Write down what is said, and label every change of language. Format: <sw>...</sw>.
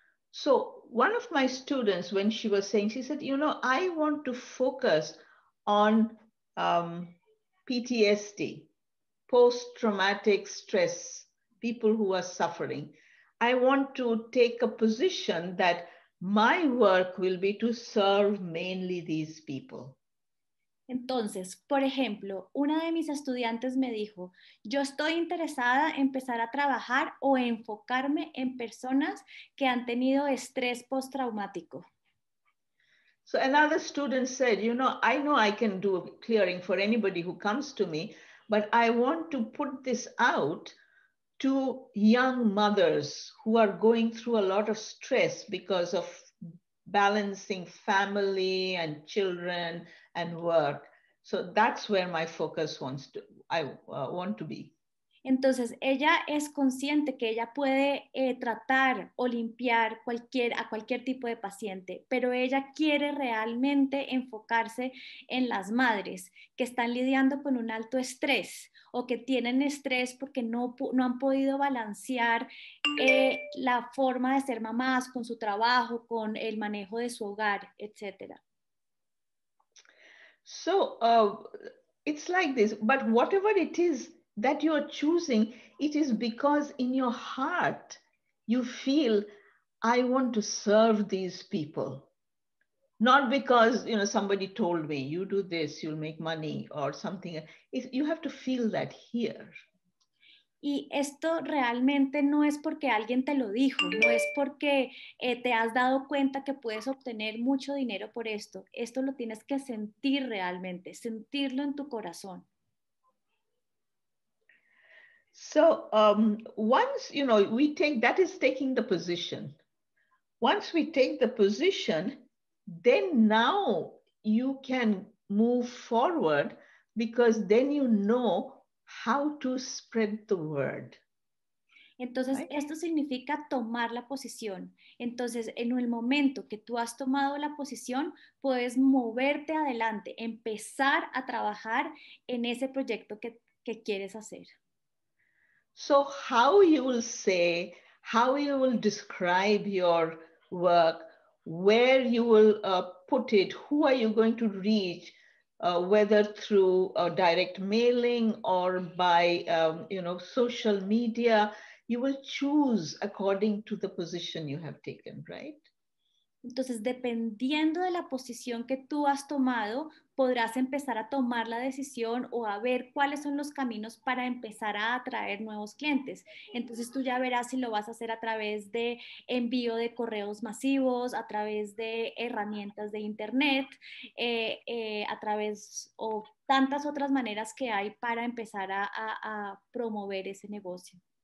<en>So one of my students, when she was saying, she said, you know, I want to focus on PTSD, post-traumatic stress, people who are suffering. I want to take a position that my work will be to serve mainly these people.</en> <es>Entonces, por ejemplo, una de mis estudiantes me dijo, yo estoy interesada en empezar a trabajar o enfocarme en personas que han tenido estrés postraumático.</es> <en>So another student said, you know, I know I can do a clearing for anybody who comes to me, but I want to put this out to young mothers who are going through a lot of stress because of balancing family and children and work. So that's where my focus wants to be.</en> <es>Entonces, ella es consciente que ella puede tratar o limpiar a cualquier tipo de paciente, pero ella quiere realmente enfocarse en las madres que están lidiando con un alto estrés o que tienen estrés porque no han podido balancear la forma de ser mamás con su trabajo, con el manejo de su hogar, etc.</es> <en>So, it's like this, but whatever it is that you're choosing, it is because in your heart, you feel, I want to serve these people. Not because, you know, somebody told me, you do this, you'll make money or something. You have to feel that here.</en> <es>Y esto realmente no es porque alguien te lo dijo, no es porque te has dado cuenta que puedes obtener mucho dinero por esto. Esto lo tienes que sentir realmente, sentirlo en tu corazón.</es> <en>So once, you know, we take, that is taking the position. Once we take the position, then now you can move forward because then you know how to spread the word.</en> <es>Entonces,</es> <en>right?</en> <es>Esto significa tomar la posición. Entonces, en el momento que tú has tomado la posición, puedes moverte adelante, empezar a trabajar en ese proyecto que quieres hacer.</es> <en>So how you will say, how you will describe your work, where you will put it, who are you going to reach, whether through direct mailing or by, you know, social media, you will choose according to the position you have taken, right?</en> <es>Entonces, dependiendo de la posición que tú has tomado, podrás empezar a tomar la decisión o a ver cuáles son los caminos para empezar a atraer nuevos clientes. Entonces, tú ya verás si lo vas a hacer a través de envío de correos masivos, a través de herramientas de internet, a través o tantas otras maneras que hay para empezar a promover ese negocio.</es>